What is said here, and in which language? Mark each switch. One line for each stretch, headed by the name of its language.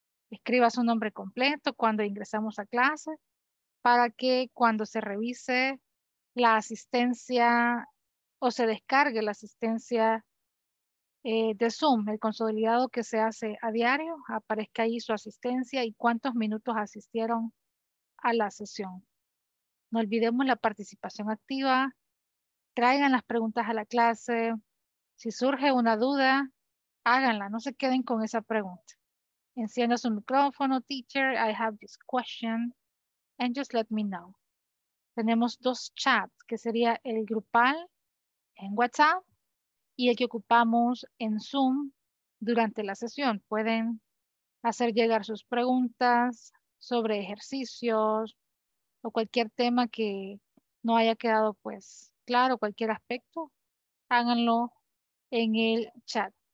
Spanish: Escriba su nombre completo cuando ingresamos a clase para que cuando se revise la asistencia o se descargue la asistencia de Zoom, el consolidado que se hace a diario, aparezca ahí su asistencia y cuántos minutos asistieron a la sesión. No olvidemos la participación activa. Traigan las preguntas a la clase. Si surge una duda, háganla, no se queden con esa pregunta. Encienda su micrófono,
English: teacher, I have this question, and just let me know.
Spanish: Tenemos 2 chats, que sería el grupal en WhatsApp y el que ocupamos en Zoom durante la sesión. Pueden hacer llegar sus preguntas sobre ejercicios o cualquier tema que no haya quedado pues claro, cualquier aspecto, háganlo en el chat.